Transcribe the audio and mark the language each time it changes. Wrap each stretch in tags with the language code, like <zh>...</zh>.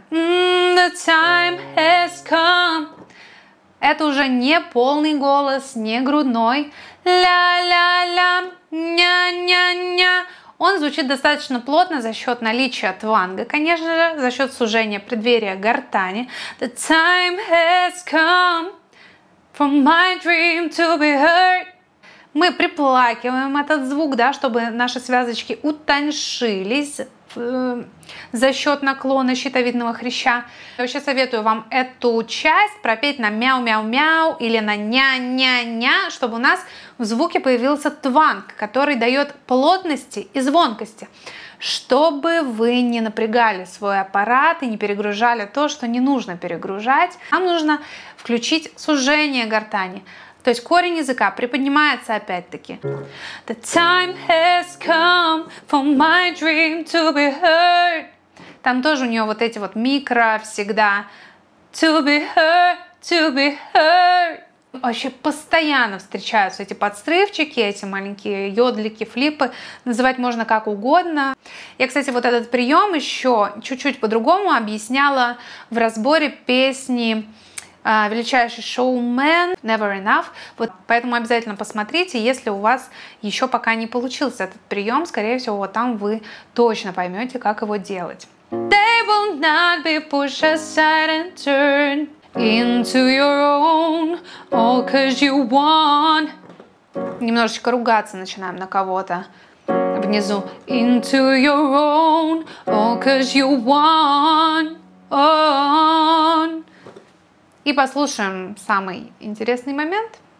<en>The time has come.</en> <ru>Это уже не полный голос, не грудной. Ля-ля-ля, ня-ня-ня. Он звучит достаточно плотно за счет наличия тванга, конечно же, за счет сужения преддверия гортани.</ru> <en>The time has come for my dream to be heard.</en> <ru>Мы приплакиваем этот звук, да, чтобы наши связочки утоншились в за счет наклона щитовидного хряща. Я вообще советую вам эту часть пропеть на мяу-мяу-мяу или на ня-ня-ня, чтобы у нас в звуке появился тванг, который дает плотности и звонкости, чтобы вы не напрягали свой аппарат и не перегружали то, что не нужно перегружать. Нам нужно включить сужение гортани. То есть корень языка приподнимается опять-таки.</ru> <en>The time has come for my dream to be heard.</en> <ru>Там тоже у нее вот эти вот микро всегда.</ru> <en>To be heard, to be heard.</en> <ru>Вообще постоянно встречаются эти подстрывчики, эти маленькие йодлики, флипы. Называть можно как угодно. Я, кстати, вот этот прием еще чуть-чуть по-другому объясняла в разборе песни «Величайший шоумен» «Never Enough». Вот, поэтому обязательно посмотрите, если у вас еще пока не получился этот прием. Скорее всего, вот там вы точно поймете, как его делать.</ru> <en>They will not be pushed aside and turned into your own, all 'cause you want.</en> <ru>Немножечко ругаться начинаем на кого-то внизу.</ru> <en>Into your own, all 'cause you want. On.</en> <ru>И послушаем самый интересный момент.</ru>